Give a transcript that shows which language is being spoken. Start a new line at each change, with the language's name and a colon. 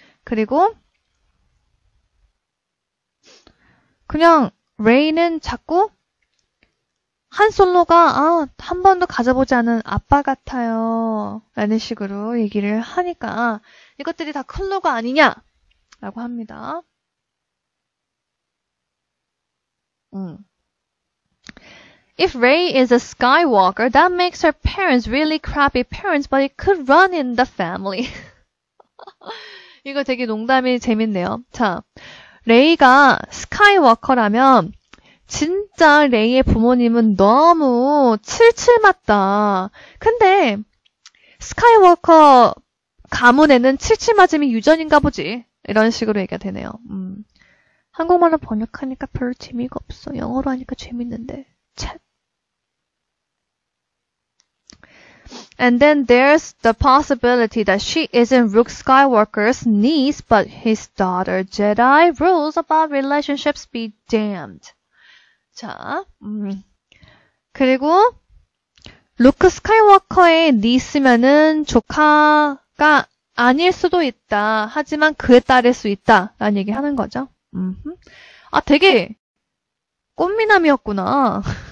Korean: 그리고 그냥 레이는 자꾸 한 솔로가 아, 한 번도 가져보지 않은 아빠 같아요 라는 식으로 얘기를 하니까 이것들이 다 클로가 아니냐 라고 합니다.
English: If Rey is a Skywalker, that makes her parents really crappy parents, but it could run in the family.
Korean: 이거 되게 농담이 재밌네요. 자, 레이가 스카이워커라면 진짜 레이의 부모님은 너무 칠칠맞다. 근데 스카이워커 가문에는 칠칠맞음이 유전인가 보지. 이런 식으로 얘기가 되네요. 한국말로 번역하니까 별로 재미가 없어. 영어로 하니까 재밌는데. 책.
English: And then there's the possibility that she isn't Luke Skywalker's niece, but his daughter. Jedi rules about relationships be damned.
Korean: 자, 그리고 루크 스카이워커의 니스면은 조카가 아닐 수도 있다. 하지만 그의 딸일 수 있다라는 얘기 하는 거죠. 아, 되게 꽃미남이었구나.